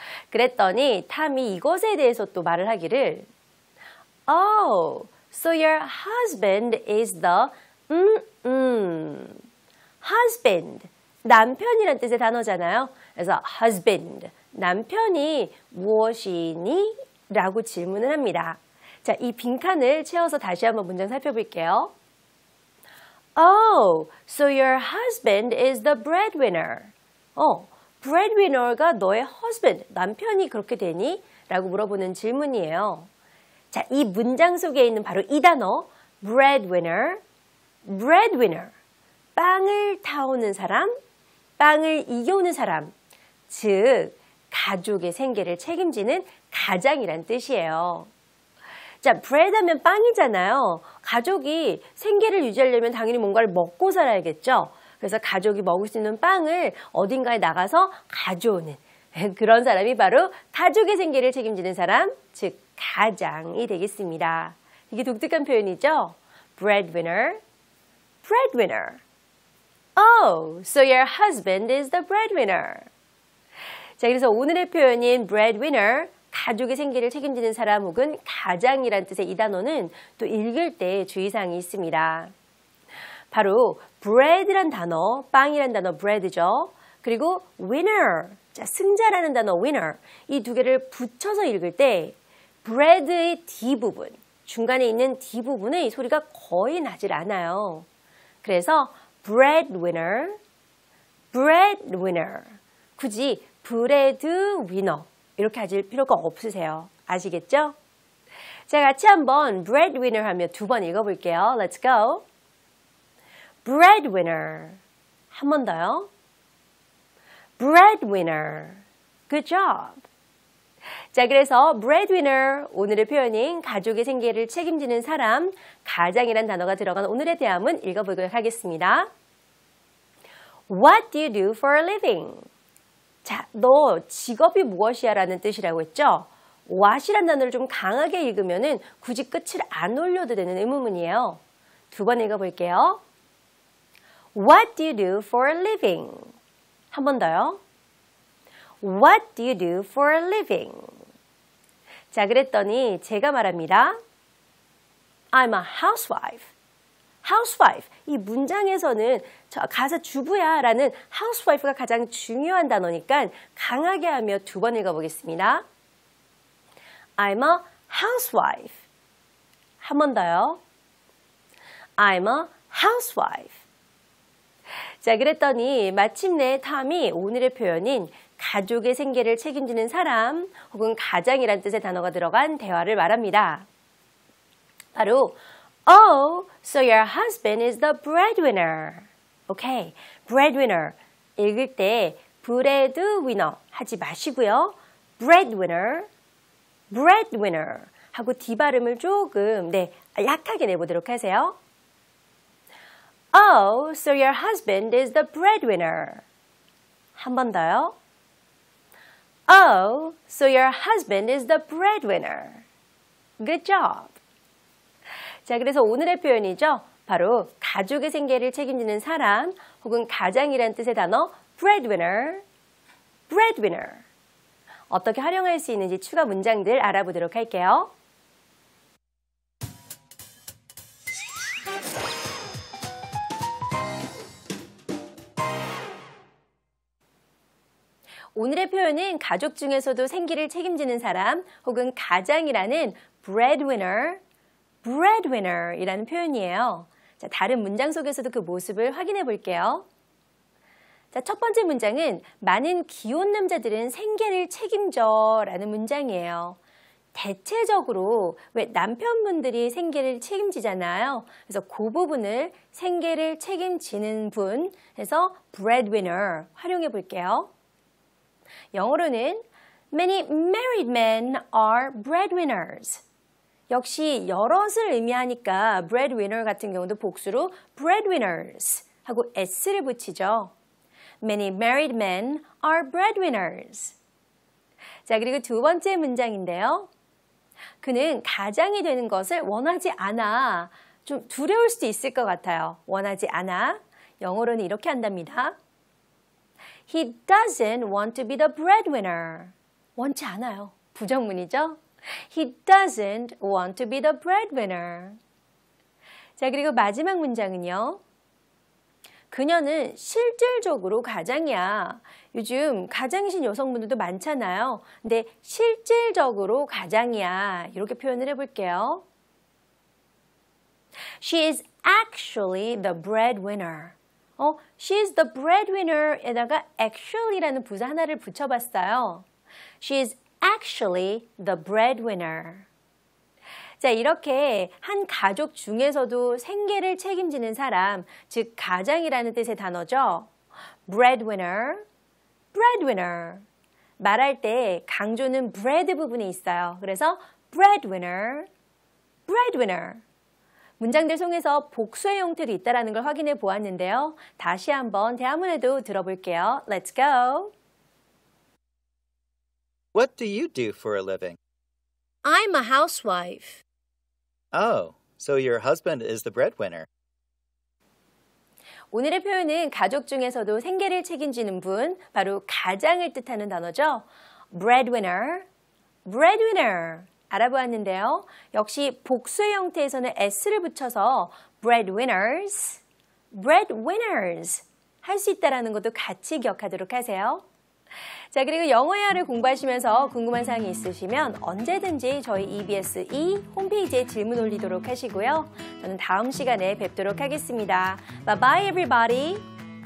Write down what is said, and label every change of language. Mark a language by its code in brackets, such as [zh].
[ko] 그랬더니 탐이 이것에 대해서 또 말을 하기를 [en] Oh, so your husband is the husband, [ko] 남편이란 뜻의 단어잖아요. 그래서 husband, 남편이 무엇이니? 라고 질문을 합니다. 자, 이 빈칸을 채워서 다시 한번 문장 살펴볼게요. [en] Oh, so your husband is the breadwinner. [ko] Breadwinner가 너의 husband, 남편이 그렇게 되니? 라고 물어보는 질문이에요. 자, 이 문장 속에 있는 바로 이 단어, breadwinner, breadwinner, 빵을 타오는 사람, 빵을 이겨오는 사람, 즉, 가족의 생계를 책임지는 가장이란 뜻이에요. 자, bread 하면 빵이잖아요. 가족이 생계를 유지하려면 당연히 뭔가를 먹고 살아야겠죠. 그래서 가족이 먹을 수 있는 빵을 어딘가에 나가서 가져오는 그런 사람이 바로 가족의 생계를 책임지는 사람, 즉 가장이 되겠습니다. 이게 독특한 표현이죠. [en] Breadwinner, breadwinner. Oh, so your husband is the breadwinner. [ko] 자, 그래서 오늘의 표현인 breadwinner, 가족의 생계를 책임지는 사람 혹은 가장이란 뜻의 이 단어는 또 읽을 때 주의사항이 있습니다. 바로 bread란 단어, 빵이란 단어 bread죠. 그리고 winner, 자, 승자라는 단어 winner. 이 두 개를 붙여서 읽을 때 bread의 D부분, 중간에 있는 D부분의 소리가 거의 나질 않아요. 그래서 breadwinner, breadwinner, 굳이 breadwinner 이렇게 하실 필요가 없으세요. 아시겠죠? 자, 같이 한번 breadwinner 하며 두 번 읽어볼게요. [en] Let's go. breadwinner. [ko] 한 번 더요. [en] breadwinner. Good job. [ko] 자, 그래서 breadwinner, 오늘의 표현인 가족의 생계를 책임지는 사람, 가장이란 단어가 들어간 오늘의 대화문 읽어보도록 하겠습니다. [en] What do you do for a living? [ko] 자, 너 직업이 무엇이야? 라는 뜻이라고 했죠? what이란 단어를 좀 강하게 읽으면은 굳이 끝을 안 올려도 되는 의문문이에요. 두 번 읽어볼게요. [en] What do you do for a living? [ko] 한 번 더요. [en] What do you do for a living? [ko] 자, 그랬더니 제가 말합니다. [en] I'm a housewife. Housewife. [ko] 이 문장에서는 저 가사 주부야 라는 housewife가 가장 중요한 단어니까 강하게 하며 두 번 읽어보겠습니다. [en] I'm a housewife. [ko] 한 번 더요. [en] I'm a housewife. [ko] 자, 그랬더니 마침내 Tom이 오늘의 표현인 가족의 생계를 책임지는 사람 혹은 가장이란 뜻의 단어가 들어간 대화를 말합니다. [en] 바로 Oh, so your husband is the breadwinner. Okay, breadwinner. [ko] 읽을 때 breadwinner 하지 마시고요. Breadwinner, breadwinner 하고 D 발음을 조금, 네, 약하게 내보도록 하세요. [en] Oh, so your husband is the breadwinner. [ko] 한 번 더요. [en] Oh, so your husband is the breadwinner. Good job. [ko] 자, 그래서 오늘의 표현이죠. 바로 가족의 생계를 책임지는 사람 혹은 가장이란 뜻의 단어 breadwinner. [en] Breadwinner. [ko] 어떻게 활용할 수 있는지 추가 문장들 알아보도록 할게요. 오늘의 표현은 가족 중에서도 생계를 책임지는 사람 혹은 가장이라는 breadwinner, breadwinner이라는 표현이에요. 자, 다른 문장 속에서도 그 모습을 확인해 볼게요. 자, 첫 번째 문장은 많은 기혼 남자들은 생계를 책임져 라는 문장이에요. 대체적으로 왜 남편분들이 생계를 책임지잖아요. 그래서 그 부분을 생계를 책임지는 분 해서 breadwinner 활용해 볼게요. [en] 영어로는 Many married men are breadwinners. [ko] 역시 여럿을 의미하니까 breadwinner 같은 경우도 복수로 breadwinners 하고 S를 붙이죠. [en] Many married men are breadwinners. [ko] 자, 그리고 두 번째 문장인데요. 그는 가장이 되는 것을 원하지 않아. 좀 두려울 수도 있을 것 같아요. 원하지 않아. 영어로는 이렇게 한답니다. [en] He doesn't want to be the breadwinner. [ko] 원치 않아요. 부정문이죠? [en] He doesn't want to be the breadwinner. [ko] 자, 그리고 마지막 문장은요. 그녀는 실질적으로 가장이야. 요즘 가장이신 여성분들도 많잖아요. 근데 실질적으로 가장이야. 이렇게 표현을 해볼게요. [en] She is actually the breadwinner. She is the breadwinner [ko] 에다가 actually라는 부사 하나를 붙여봤어요. [en] She is actually the breadwinner. [ko] 자, 이렇게 한 가족 중에서도 생계를 책임지는 사람, 즉 가장이라는 뜻의 단어죠. [en] breadwinner, breadwinner. [ko] 말할 때 강조는 bread 부분에 있어요. [en] 그래서 breadwinner, breadwinner. [ko] 문장들 속에서 복수의 형태도 있다라는 걸 확인해 보았는데요. 다시 한번 대화문에도 들어볼게요. [en] Let's go. What do you do for a living? I'm a housewife. Oh, so your husband is the breadwinner. [ko] 오늘의 표현은 가족 중에서도 생계를 책임지는 분, 바로 가장을 뜻하는 단어죠. [en] breadwinner, breadwinner. [ko] 알아보았는데요. 역시 복수의 형태에서는 S를 붙여서 breadwinners, breadwinners 할 수 있다라는 것도 같이 기억하도록 하세요. 자, 그리고 영어 회화를 공부하시면서 궁금한 사항이 있으시면 언제든지 저희 EBS E 홈페이지에 질문 올리도록 하시고요. 저는 다음 시간에 뵙도록 하겠습니다. [en] Bye bye everybody!